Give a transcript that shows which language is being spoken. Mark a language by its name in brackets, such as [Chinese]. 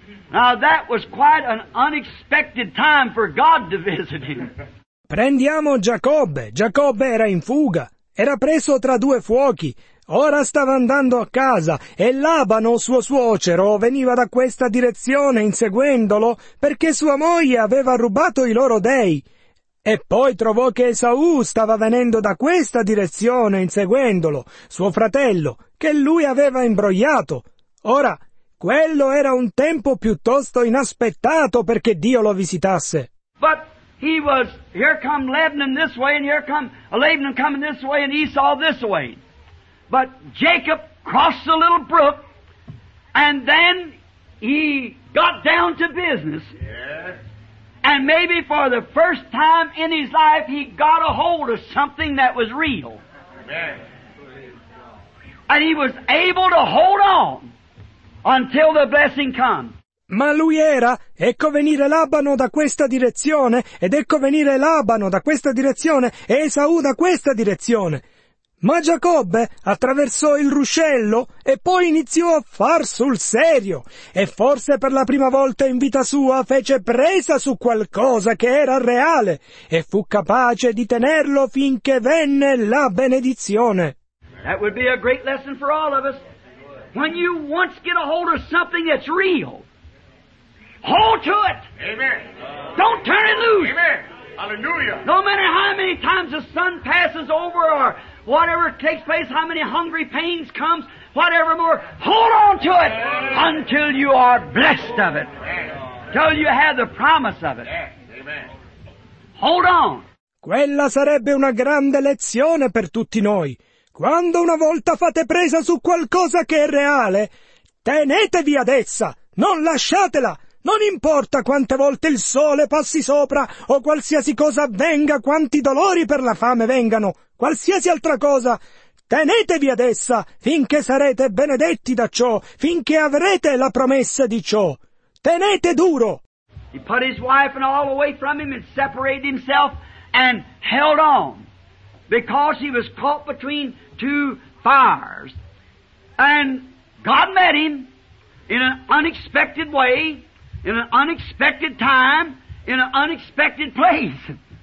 [English] Now that was quite an unexpected time for God to visit him. [Italian] Prendiamo Giacobbe. Giacobbe era in fuga. Era preso tra due fuochi. Ora stava andando a casa e Labano, suo suocero, veniva da questa direzione inseguendolo perché sua moglie aveva rubato i loro dei. E poi trovò che Esaù stava venendo da questa direzione inseguendolo, suo fratello, che lui aveva imbrogliato. Ora, quello era un tempo piuttosto inaspettato perché Dio lo visitasse. [English] But he was, here come Laban this way, and here come Laban coming this way, and Esau this way. But Jacob crossed the little brook, and then he got down to business. Yeah. And maybe for the first time in his life, he got a hold of something that was real. Yeah. And he was able to hold on until the blessing come. [Italian] Ma lui era, ecco venire Labano da questa direzione, ed ecco venire Labano da questa direzione, e Esaù da questa direzione. Ma Giacobbe attraversò il ruscello e poi iniziò a far sul serio, e forse per la prima volta in vita sua fece presa su qualcosa che era reale, e fu capace di tenerlo finché venne la benedizione. [English] That would be a great lesson for all of us. When you once get a hold of something that's real, hold to it. Amen. Don't turn it loose. Amen. Hallelujah. No matter how many times the sun passes over or whatever takes place, how many hungry pains comes, whatever more, hold on to it until you are blessed of it, till you have the promise of it. Hold on. [Italian] Quella sarebbe una grande lezione per tutti noi. Quando una volta fate presa su qualcosa che è reale, tenetevi ad essa, non lasciatela. Non importa quante volte il sole passi sopra, o qualsiasi cosa avvenga, quanti dolori per la fame vengano, qualsiasi altra cosa, tenetevi ad essa finché sarete benedetti da ciò, finché avrete la promessa di ciò. Tenete duro! [English] He put his wife and all away from him and separated himself and held on, because he was caught between two fires. And God met him in an unexpected way, in an unexpected time, in an unexpected place.